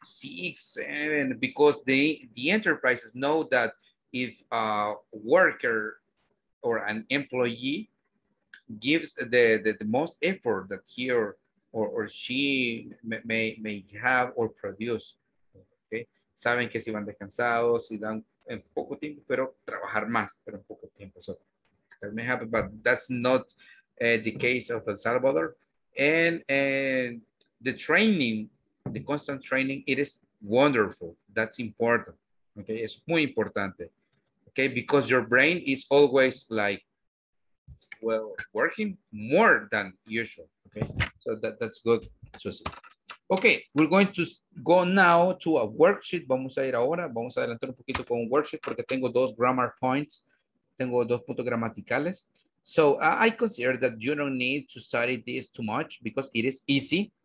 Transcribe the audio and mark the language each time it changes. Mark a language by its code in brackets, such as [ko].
[en] 6, 7, because the enterprises know that if a worker or an employee gives the most effort that he or she may have or produce, okay? [es] Saben que si van descansados, si dan en poco tiempo, pero trabajar más, pero en poco tiempo. [en] So that may happen, but that's not the case of El Salvador. And the training, the constant training, it is wonderful. That's important, okay? [es] Es muy importante, okay? [en] Because your brain is always like, well, working more than usual, okay? So that's good, Susie. Okay, we're going to go now to a worksheet. [es] Vamos a ir ahora, vamos a adelantar un poquito con un worksheet porque tengo dos grammar points, tengo dos puntos gramaticales. [en] So I consider that you don't need to study this too much because it is easy.